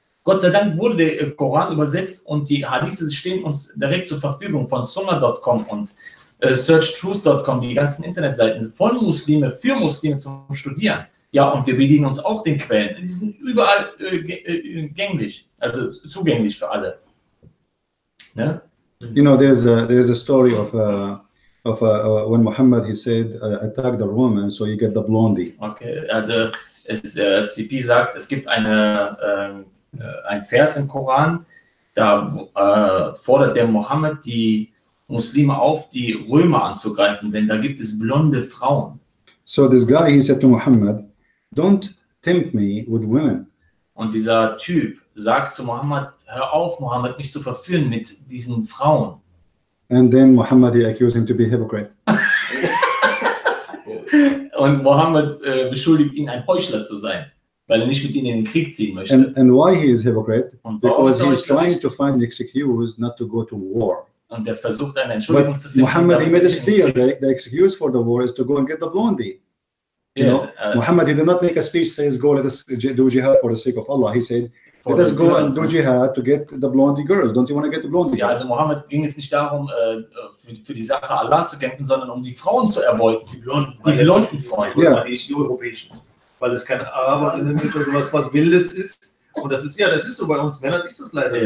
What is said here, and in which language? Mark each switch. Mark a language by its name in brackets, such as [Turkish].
[German] Gott sei Dank wurde der Koran übersetzt und die Hadithe stehen uns direkt zur Verfügung von Sunnah.com und searchtruth.com, die ganzen Internetseiten von Muslime für Muslime zum Studieren. Ja, und wir bedienen uns auch den Quellen. Die sind überall gänglich, also zugänglich für alle. Ne? [English] You know, there's a story of when Muhammad, he said, attack the woman, so you get the blondie. [German] Okay, also CP sagt, es gibt eine ein Vers im Koran, da fordert der Muhammad die Muslime auf, die Römer anzugreifen, denn da gibt es blonde Frauen. [English] So this guy, he said to Muhammad, don't tempt me with women. [German] Und dieser Typ sagt zu Muhammad, hör auf, Muhammad, mich zu verführen mit diesen Frauen. [English] And then Muhammad, he accused him to be a hypocrite. [German] Und Muhammad beschuldigt ihn, ein Heuchler zu sein, weil er nicht mit ihnen in den Krieg ziehen möchte. [English] And why he is a hypocrite? Because he is trying to find an excuse not to go to war. [German] Und er versucht eine Entschuldigung [English] but [German] zu finden. [English] Muhammad, he made it clear that the excuse for the war is to go and get the blondie. You know, Muhammad, he did not make a speech saying, go, let us do jihad for the sake of Allah. He said, let us go and do jihad to get the blondie girls. Don't you want to get the blondie girls? [German] Ja, also Muhammad ging es nicht darum, für die Sache Allah zu kämpfen, sondern um die Frauen zu erbeuten. Die blonden Frauen. Ja. Weil die Europäischen. Weil es keine Araber in dem ist, also was Wildes ist. Und das ist, ja, das ist so bei uns Männern, ist das leider so.